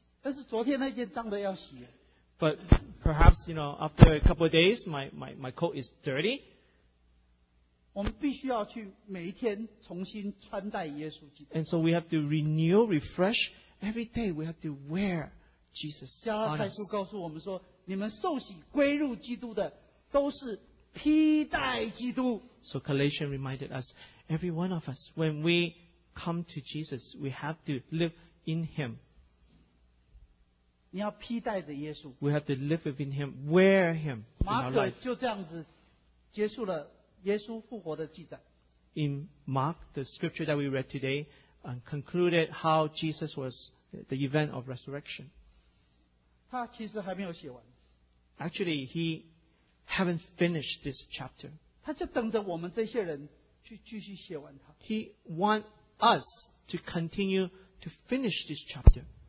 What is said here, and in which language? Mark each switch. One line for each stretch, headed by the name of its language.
Chinese: 但是昨天那件脏的要洗。
English: But perhaps, you know, after a couple of days, my coat is dirty.
Chinese: 我们必须要去每一天重新穿戴耶稣基督。
English: And so we have to renew, refresh. Every day we have to wear Jesus.
Chinese: 加拉太书告诉我们说, 你们受洗归入基督的都是披戴基督。
English: So Colossians reminded us, every one of us, when we come to Jesus, we have to live in Him.
Chinese: 你要披戴着耶稣。
English: We have to live within Him, wear Him in our life.
Chinese: 马可就这样子结束了耶稣复活的记载。
English: In Mark, the scripture that we read today, concluded how Jesus was the event of resurrection.
Chinese: 他其实还没有写完。
English: Actually, he haven't finished this chapter. He wants us to continue to finish this chapter.